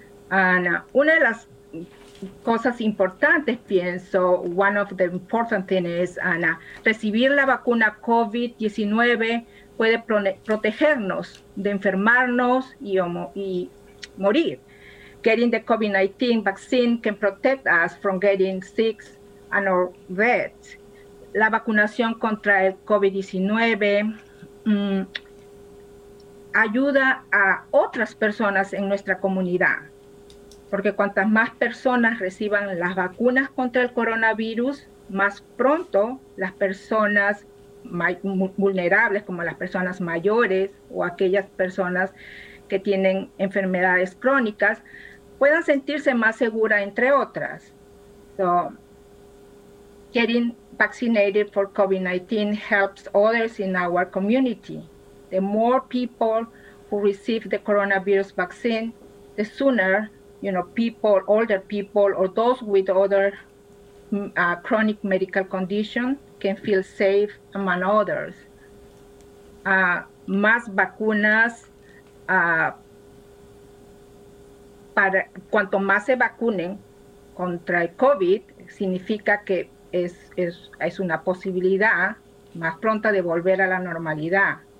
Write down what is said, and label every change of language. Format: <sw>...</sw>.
<es>And una de las cosas importantes, pienso,</es> <en>one of the important things is,</en> <es>Ana, recibir la vacuna COVID-19 puede protegernos de enfermarnos y morir.</es> <en>Getting the COVID-19 vaccine can protect us from getting sick and or death.</en> <es>La vacunación contra el COVID-19 ayuda a otras personas en nuestra comunidad. Porque cuantas más personas reciban las vacunas contra el coronavirus, más pronto las personas vulnerables, como las personas mayores o aquellas personas que tienen enfermedades crónicas, puedan sentirse más seguras, entre otras.</es> <en>So, getting vaccinated for COVID-19 helps others in our community. The more people who receive the coronavirus vaccine, the sooner, you know, people, older people, or those with other chronic medical condition can feel safe among others.</en> <es>Más vacunas, para cuanto más se vacunen contra el COVID, significa que es una posibilidad más pronta de volver a la normalidad.</es>